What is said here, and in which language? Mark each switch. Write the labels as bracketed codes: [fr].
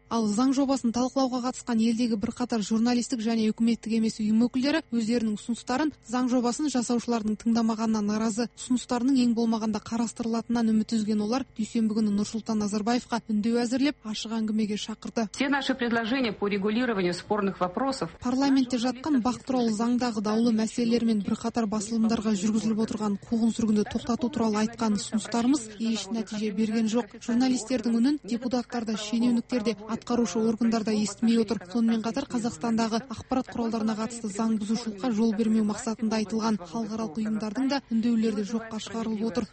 [kk] Ал заң жобасын талқылауға қатысқан елдегі бірқатар журналистік және үкіметтік емес ұйым өкілдері өздерінің ұсыныстарын заң жобасын жасаушылардың тыңдамағанына наразы, ұсыныстарының ең болмағанда қарастырылатынынан үміт үзген олар дүйсенбі күні Нұрсұлтан Назарбаевқа үндеу әзірлеп ашық әңгімеге шақырды. [ru] Все наши предложения по регулированию спорных вопросов. [kk] Парламентте жатқан бақ туралы заңдағы даулы мәселелер мен бірқатар басылымдарға жүргізіліп отырған қуғын-сүргінді тоқтату туралы айтқан ұсыныстарымыз еш нәтиже берген жоқ. Журналистердің үнін депутаттар да, шенеуніктер де атқарушы органдарда естімей отыр. Сонымен қатар Қазақстандағы ақпарат құралдарына қатысты заң бұзушылыққа жол бермеу мақсатында айтылған халықаралық ұйымдардың да үндеулерді жоққа шығарылып отыр.